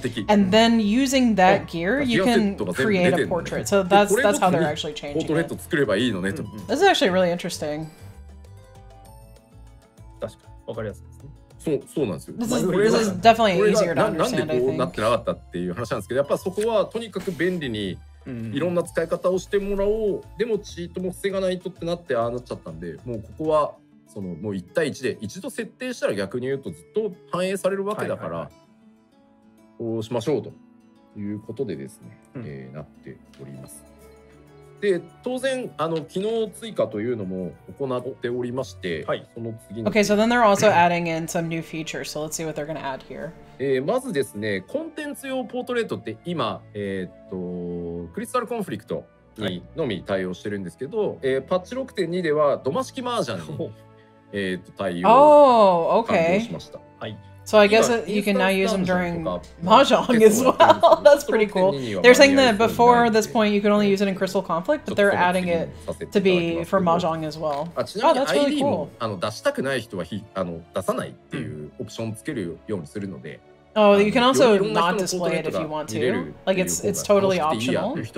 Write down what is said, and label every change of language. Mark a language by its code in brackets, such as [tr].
[en] And then using that gear, you can create a portrait. So that's how they're actually changing it. This is actually really interesting. This is definitely easier to understand, I think. [ja] いろんな使い方をしてもらおう。でもチートも防がないとってなってああなっちゃったんで、もうここはそのもう1対1で一度設定したら逆に言うとずっと反映されるわけだから、はいはいはい、こうしましょうということでですね、うん、なっております。で当然あの機能追加というのも行っておりまして、はい、その次に。 [en] Okay, so then they're also adding in some new features. So let's see what they're going to add here. [ja] まずですね、コンテンツ用ポートレートって今、クリスタルコンフリクトにのみ対応してるんですけど、はい、パッチ 6.2 ではドマ式マージャンに対応、 [en] oh, okay. [ja] しました。はい。 [en] So I guess you can now use them during Mahjong as well. That's pretty cool. They're saying that before this point you could only use it in Crystal Conflict, but they're adding it to be for Mahjong as well. Oh, that's really cool. [ja] あの出したくない人はあの出さないっていうオプションつけるようにするので。 [en] Oh, you can also not display it if you want to. Like it's totally optional.